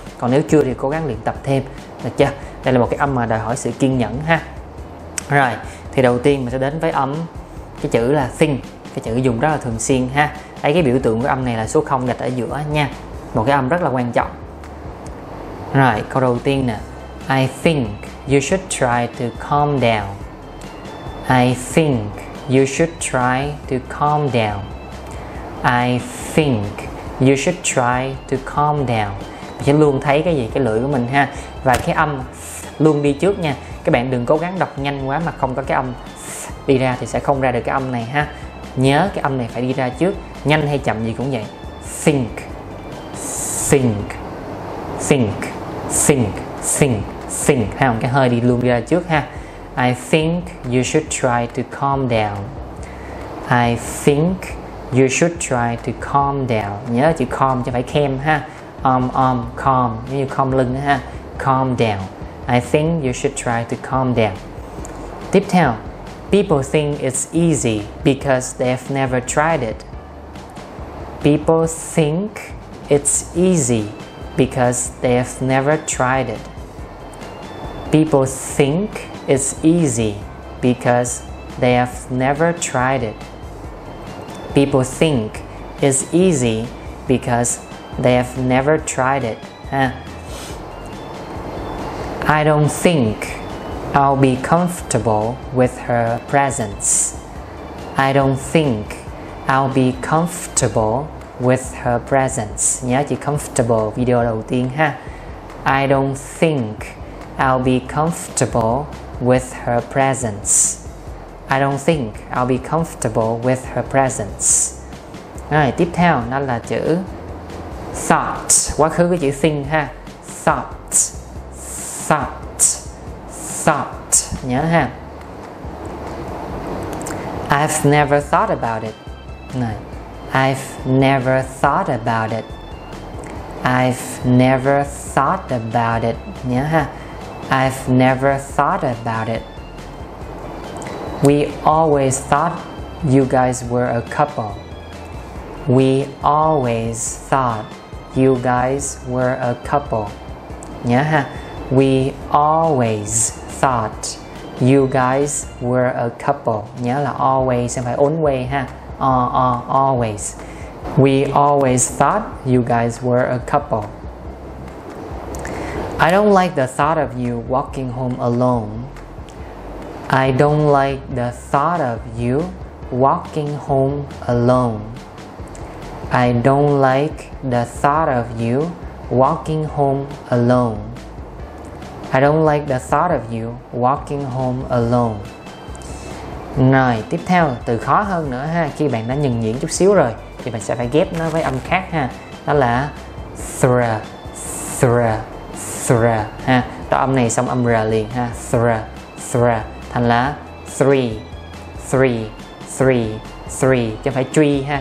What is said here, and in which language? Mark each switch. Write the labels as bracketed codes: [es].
[vi] Còn nếu chưa thì cố gắng luyện tập thêm, được chưa? Đây là một cái âm mà đòi hỏi sự kiên nhẫn ha. Rồi, thì đầu tiên mình sẽ đến với âm cái chữ là sing, cái chữ dùng rất là thường xuyên ha. Thấy cái biểu tượng của âm này là số 0 đặt ở giữa nha. Một cái âm rất là quan trọng. Rồi, câu đầu tiên nè. [en] I think you should try to calm down. I think you should try to calm down. I think you should try to calm down. [vi] Mình sẽ luôn thấy cái gì, cái lưỡi của mình ha. Và cái âm luôn đi trước nha. Các bạn đừng cố gắng đọc nhanh quá mà không có cái âm đi ra thì sẽ không ra được cái âm này ha. Nhớ cái âm này phải đi ra trước, nhanh hay chậm gì cũng vậy. Think, think, think, think, think, think. Thấy không? Cái hơi đi luôn đi ra trước ha. [en] I think you should try to calm down. I think you should try to calm down. [vi] Nhớ chữ calm chứ phải calm ha. Calm, giống như calm lưng ha. [en] Calm down. I think you should try to calm down. [vi] Tiếp theo. [en] People think it's easy because they've never tried it. People think it's easy because they've never tried it. People think it's easy because they've never tried it. People think it's easy because they've never tried it. Huh? I don't think I'll be comfortable with her presence. I don't think I'll be comfortable with her presence. [vi] Nhớ chữ comfortable video đầu tiên ha. [en] I don't think I'll be comfortable with her presence. I don't think I'll be comfortable with her presence. [vi] Rồi, tiếp theo nó là chữ thought. Quá khứ của chữ think ha. Thought, thought, thought. Nhớ ha. [en] I've never thought about it. Này. I've never thought about it. I've never thought about it. [vi] Nhớ ha. [en] I've never thought about it. We always thought you guys were a couple. We always thought you guys were a couple. [vi] Nhớ ha. [en] We always thought you guys were a couple. [vi] Nhớ là always, không phải only ha. [en] Always. We always thought you guys were a couple. I don't like the thought of you walking home alone. I don't like the thought of you walking home alone. I don't like the thought of you walking home alone. I don't like the thought of you walking home alone. [vi] Rồi, tiếp theo, từ khó hơn nữa ha. Khi bạn đã nhường nhịn chút xíu rồi thì bạn sẽ phải ghép nó với âm khác ha. Đó là thr, thr, thr ha. Đó âm này xong âm r liền ha. Thr, thr. Thành là three, three, three, three. Chứ không phải tree ha.